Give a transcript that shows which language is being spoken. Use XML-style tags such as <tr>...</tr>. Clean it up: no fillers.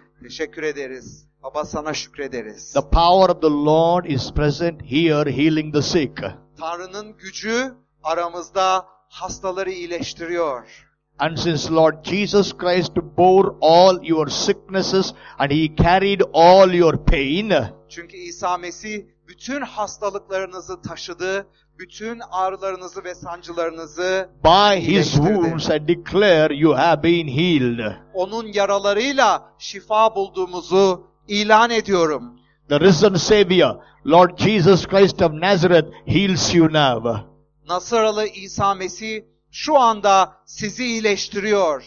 <tr>Teşekkür ederiz. Baba sana şükrederiz.</tr> <en>The power of the Lord is present here, healing the sick.</en> <tr>Tanrı'nın gücü aramızda hastaları iyileştiriyor.</tr> <en>And since Lord Jesus Christ bore all your sicknesses and he carried all your pain.</en> <tr>Çünkü İsa Mesih bütün hastalıklarınızı taşıdı, bütün ağrılarınızı ve sancılarınızı</tr> <en>by his wounds I declare you have been healed.</en> <tr>Onun yaralarıyla şifa bulduğumuzu ilan ediyorum.</tr> <en>The risen Savior, Lord Jesus Christ of Nazareth, heals you now.</en> <tr>Nasaralı İsa Mesih şu anda sizi iyileştiriyor.</tr>